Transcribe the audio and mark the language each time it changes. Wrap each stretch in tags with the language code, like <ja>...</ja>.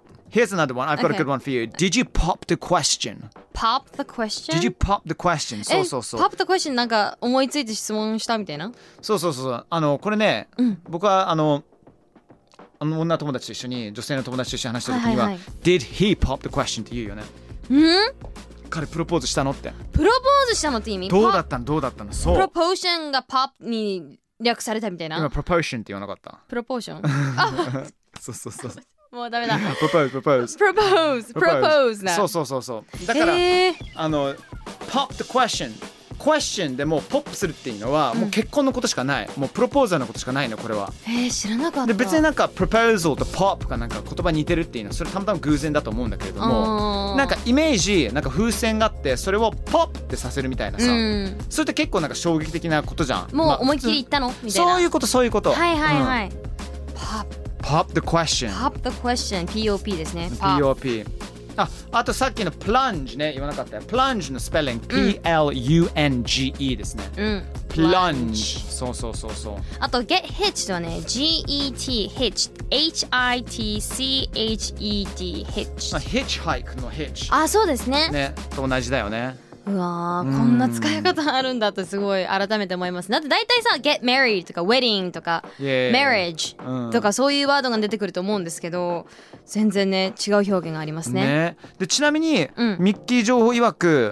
<en>Here's another one. I've got、okay. a good one for you. Did you pop the question? Pop the question? Did you pop the question?</en> <ja>そうそうそう。</ja> <en>Pop the question?</en> <ja>なんか思いついて質問したみたいな？そうそうそう。これね、うん、僕はあの女友達と一緒に、女性の友達と一緒に話した時には、はいはい、</ja> <en>Did he pop the question?</en> <ja>って言うよね。ん？彼プロポーズしたのって。プロポーズしたのって意味？どうだったの？どうだったの？そう。プロポーションがポップに略されたみたいな。今、プロポーションって言わなかった。プロポーション？あそうそうそう。もうダメだ。</ja> <en>Propose, propose. Propose, propose な。</en> <ja>そうそうそうそう。だから、</ja> <en>pop the question。</en> <ja>question でもうポップするっていうのは、うん、もう結婚のことしかない。もうプロポーザーのことしかないの、これは。知らなかった。で、別になんか proposal と pop がなんか言葉似てるっていうのは、それたまたま偶然だと思うんだけれども、なんかイメージ、なんか風船があって、それをポップってさせるみたいなさ、うん、それって結構なんか衝撃的なことじゃん。もう思いっきり言ったの、みたいな。そういうこと、そういうこと。はいはいはい。pop、うん。</ja> <en>Pop the question. Pop the question. P-O-P</en> <ja>ですね。</ja> <en>P-O-P。</en> <ja>あとさっきの plunge ね、言わなかったよ。plunge のスペリング、うん、P-L-U-N-G-E ですね。うん。 plunge。 そうそうそうそう。あと</ja> <en>get hitched はね、G-E-T hitched、H-I-T-C-H-E-D hitched。</en> <ja>まあ、hitchhike の hitch。あ、そうですね。ね、と同じだよね。うわー、こんな使い方あるんだってすごい改めて思います。だって大体さ、get married とか wedding とか marriage とかそういうワードが出てくると思うんですけど、全然ね違う表現がありますね。ね、でちなみに、うん、ミッキー情報曰く、</ja>